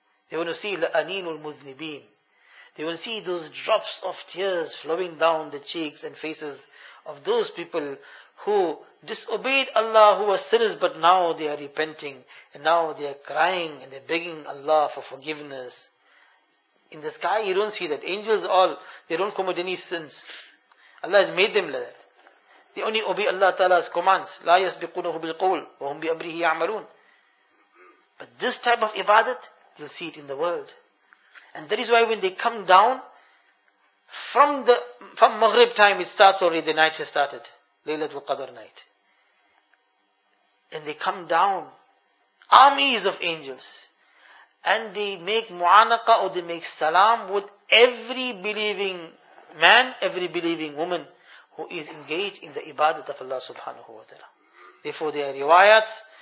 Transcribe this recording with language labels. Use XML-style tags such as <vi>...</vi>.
<en>They want to see la'aneenul muznibeen. They want to see those drops of tears flowing down the cheeks and faces of those people who disobeyed Allah, who were sinners, but now they are repenting, and now they are crying, and they are begging Allah for forgiveness. In the sky, you don't see that. Angels all, they don't commit any sins. Allah has made them like that. They only obey Allah Ta'ala's commands.</en> <ar>لا يسبقونه بالقول وهم بأمره يعملون.</ar> <en>But this type of ibadat, you'll see it in the world. And that is why when they come down, From Maghrib time, it starts already, the night has started. Laylatul Qadr night. And they come down, armies of angels, and they make mu'anaka, or they make salam with every believing man, every believing woman, who is engaged in the ibadat of Allah subhanahu wa ta'ala. Therefore, there are riwayats,</en>